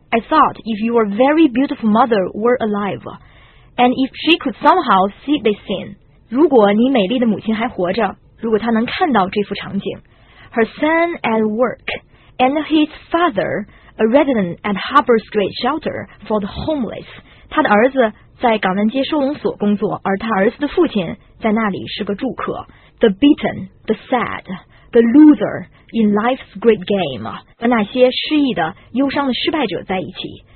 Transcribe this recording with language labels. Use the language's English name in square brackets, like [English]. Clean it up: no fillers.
[English] I thought if your very beautiful mother were alive, and if she could somehow see this scene, [Chinese] 如果你美丽的母亲还活着，如果她能看到这幅场景。 [English] Her son at work, and his father, a resident at Harbor Street Shelter for the homeless. [Chinese] 他的儿子在港湾街收容所工作，而他儿子的父亲在那里是个住客。 [English] The beaten, the sad, the loser in life's great game. [Chinese] 和那些失意的、忧伤的失败者在一起。